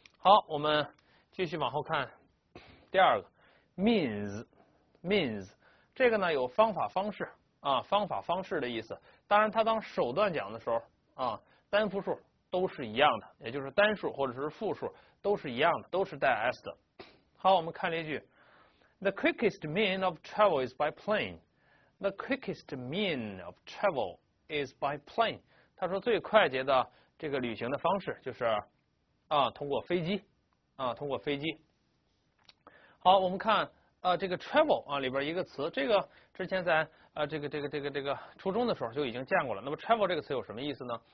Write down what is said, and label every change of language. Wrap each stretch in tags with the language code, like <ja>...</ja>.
<zh>好，我们继续往后看第二个 means 这个呢有方法方式啊，方法方式的意思。当然它当手段讲的时候啊，单复数。都是一样的，也就是单数或者是复数都是一样的，都是带 s 的。好，我们看例句</zh> <en>，The quickest mean of travel is by plane. The quickest mean of travel is by plane.</en> <zh>他说最快捷的这个旅行的方式就是啊，通过飞机啊，通过飞机。好，我们看这个 travel 啊里边一个词，这个之前在。这个初中的时候就已经见过了。那么 travel 这个词有什么意思呢？</zh>